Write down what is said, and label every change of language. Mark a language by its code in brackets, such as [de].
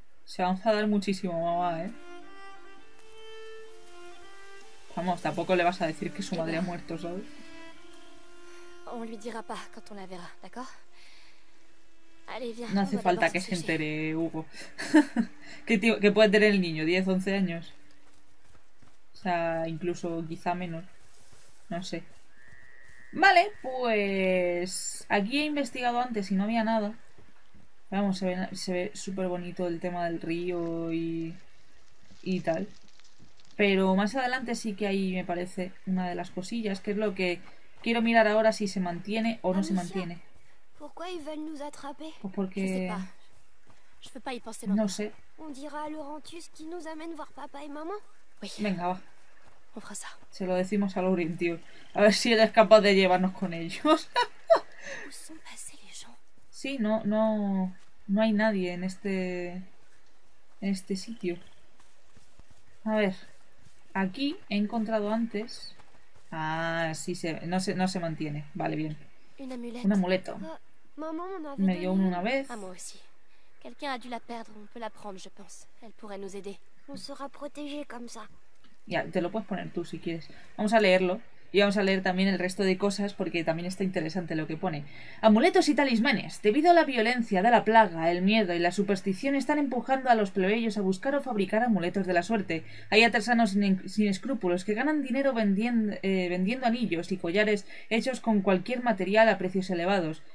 [es] Se va a enfadar muchísimo, mamá, ¿eh? Vamos, tampoco le vas a decir que su madre ha muerto, ¿sabes? [fr] On lui dira pas quand on la verra, d'accord? Allez, viens. [es] No hace falta que se entere, Hugo. ¿Qué puede tener el niño? 10, 11 años. O sea, incluso quizá menos. No sé. Vale, pues aquí he investigado antes y no había nada. Vamos, se ve súper bonito el tema del río y tal. Pero más adelante sí que ahí me parece una de las cosillas, que es lo que quiero mirar ahora, si se mantiene o no. Amicia, se mantiene. ¿Por qué quieren nos atrapar? Pues porque [fr] je sais pas. Je peux pas y penser maintenant. [es] No sé. [fr] On dira a Laurentius qui nous amène voir papa et maman. Oui. [es] Venga, va. [fr] On fera ça. [es] Se lo decimos a Laurentius. A ver si él es capaz de llevarnos con ellos. [fr] Où sont passés les gens? [es] Sí, no hay nadie en este sitio. A ver. Aquí he encontrado antes. Ah, sí, no se mantiene. Vale, bien. Un amuleto. Me dio uno una vez. [fr] A moi aussi. Quelqu'un a dû la perdre. On peut la prendre, je pense. Elle pourrait nous aider. On sera protégé comme ça. [es] Ya, te lo puedes poner tú si quieres. Vamos a leerlo. Y vamos a leer también el resto de cosas porque también está interesante lo que pone. Amuletos y talismanes. Debido a la violencia de la plaga, el miedo y la superstición, están empujando a los plebeyos a buscar o fabricar amuletos de la suerte. Hay artesanos sin escrúpulos que ganan dinero vendiendo anillos y collares hechos con cualquier material a precios elevados.